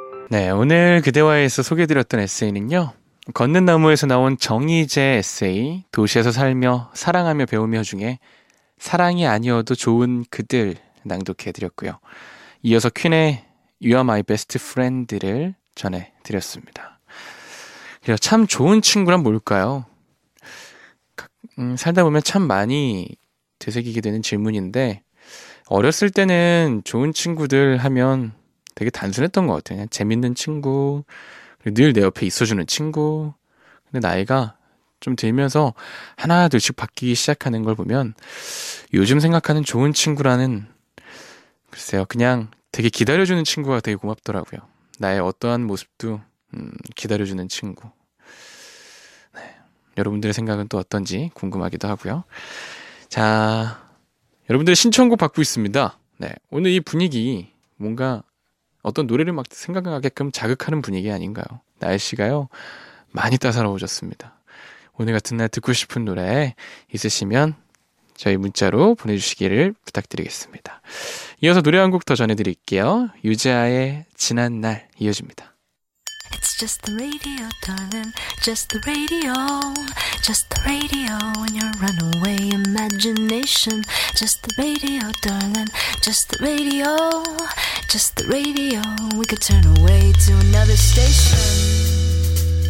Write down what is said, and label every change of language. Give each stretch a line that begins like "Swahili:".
Korean: 네, 오늘 그대와에서 소개해드렸던 에세이는요, 걷는 나무에서 나온 정희재 에세이 도시에서 살며 사랑하며 배우며 중에 사랑이 아니어도 좋은 그들 낭독해드렸고요. 이어서 퀸의 You are my best friend를 전해드렸습니다. 참 좋은 친구란 뭘까요? 살다 보면 참 많이 되새기게 되는 질문인데, 어렸을 때는 좋은 친구들 하면 되게 단순했던 것 같아요. 그냥 재밌는 친구, 늘 내 옆에 있어주는 친구. 근데 나이가 좀 들면서 하나 둘씩 바뀌기 시작하는 걸 보면 요즘 생각하는 좋은 친구라는, 글쎄요, 그냥 되게 기다려주는 친구가 되게 고맙더라고요. 나의 어떠한 모습도 기다려주는 친구. 네, 여러분들의 생각은 또 어떤지 궁금하기도 하고요. 자, 여러분들의 신청곡 받고 있습니다. 네, 오늘 이 분위기 뭔가 어떤 노래를 막 생각하게끔 자극하는 분위기 아닌가요? 날씨가요, 많이 따사로워졌습니다. 오늘 같은 날 듣고 싶은 노래 있으시면 저희 문자로 보내주시기를 부탁드리겠습니다. 이어서 노래 한 곡 더 전해드릴게요. 유재하의 지난 날 이어집니다.
English: It's just the radio, darling. Just the radio. Just the radio and your runaway imagination. Just the radio, darling. Just the radio. Just the radio. We could turn away to another station.